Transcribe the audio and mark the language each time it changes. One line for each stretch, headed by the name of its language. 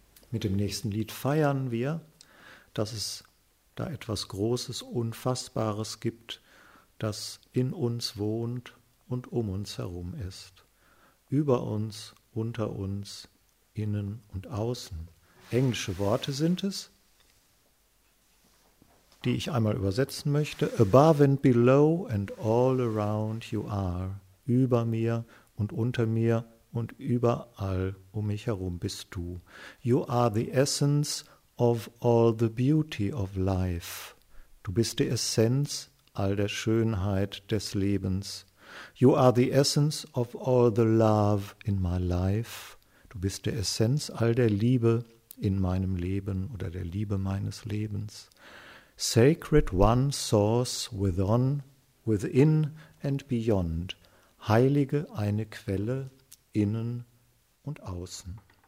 German: Mit dem nächsten Lied feiern wir, dass es da etwas Großes, Unfassbares gibt, das in uns wohnt und um uns herum ist. Über uns, unter uns, innen und außen. Englische Worte sind es, die ich einmal übersetzen möchte.
English: Above and below and all around you are.
German: Über mir und unter mir. Und überall um mich herum bist du.
English: You are the essence of all the beauty of life.
German: Du bist die Essenz all der Schönheit des Lebens.
English: You are the essence of all the love in my life.
German: Du bist die Essenz all der Liebe in meinem Leben oder der Liebe meines Lebens.
English: Sacred one source within, within and beyond.
German: Heilige eine Quelle innen und außen.